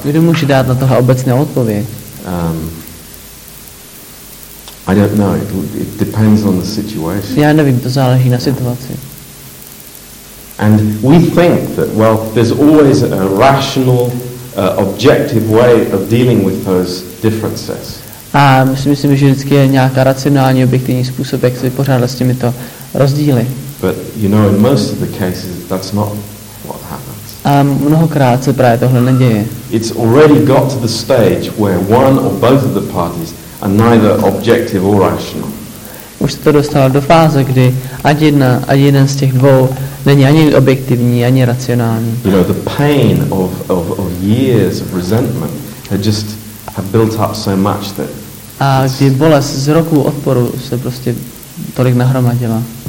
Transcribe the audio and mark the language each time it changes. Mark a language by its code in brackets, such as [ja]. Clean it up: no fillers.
[cs] Kdo může dát na tohle obecné odpověď? [en] I don't know. It depends on the situation. [cs] Já nevím, to záleží na situaci. [en] And we think that, well, there's always a rational, objective way of dealing with those differences. [cs] A myslím, že vždycky je nějaká racionální, objektivní způsob, jak se vypořádat s těmito rozdíly. [en] But you know, in most of the cases, that's not what happens. [cs] A mnohokrát se právě tohle neděje. [en] It's already got to the stage where one or both of the parties are neither objective or rational. [cs] Už se to dostalo do fáze, kdy ani jeden z těch dvou není ani objektivní, ani racionální. [en] You know, the pain of years of resentment had just have built up so much that. [cs] A kdy bolest z roku odporu se prostě tolik nahromadila.